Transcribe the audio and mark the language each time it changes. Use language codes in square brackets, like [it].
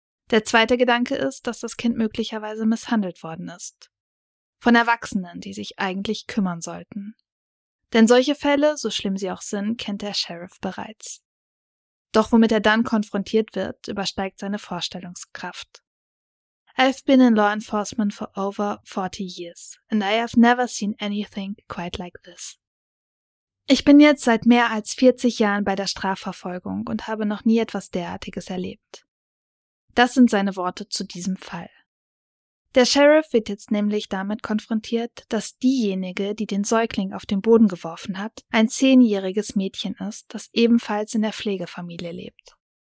[de] Der zweite Gedanke ist, dass das Kind möglicherweise misshandelt worden ist. Von Erwachsenen, die sich eigentlich kümmern sollten. Denn solche Fälle, so schlimm sie auch sind, kennt der Sheriff bereits. Doch womit er dann konfrontiert wird, übersteigt seine Vorstellungskraft. [en] I've been in law enforcement for over 40 years, and I have never seen anything quite like this. [de] Ich bin jetzt seit mehr als 40 Jahren bei der Strafverfolgung und habe noch nie etwas derartiges erlebt. Das sind seine Worte zu diesem Fall. Der Sheriff wird jetzt nämlich damit konfrontiert, dass diejenige, die den Säugling auf den Boden geworfen hat, ein 10-jähriges Mädchen ist, das ebenfalls in der Pflegefamilie lebt.